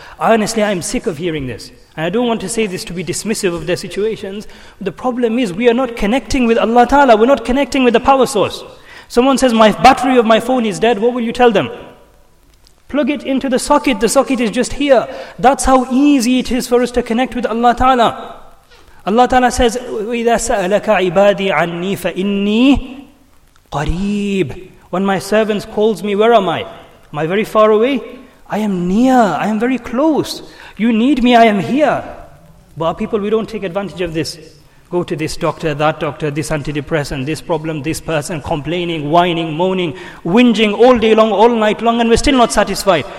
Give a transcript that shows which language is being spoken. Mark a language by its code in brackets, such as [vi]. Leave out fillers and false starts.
[en] Honestly, I'm sick of hearing this. And I don't want to say this to be dismissive of their situations. The problem is, we are not connecting with Allah Ta'ala. We're not connecting with the power source. Someone says, my battery of my phone is dead. What will you tell them? Plug it into the socket. The socket is just here. That's how easy it is for us to connect with Allah Ta'ala. [ar] Allah Ta'ala says, وَإِذَا سَأَلَكَ عِبَادِي عَنِّي فَإِنِّي قَرِيب. [en] When my servants calls me, where am I? Am I very far away? I am near. I am very close. You need me, I am here. But our people, we don't take advantage of this. Go to this doctor, that doctor, this antidepressant, this problem, this person, complaining, whining, moaning, whinging all day long, all night long, and we're still not satisfied.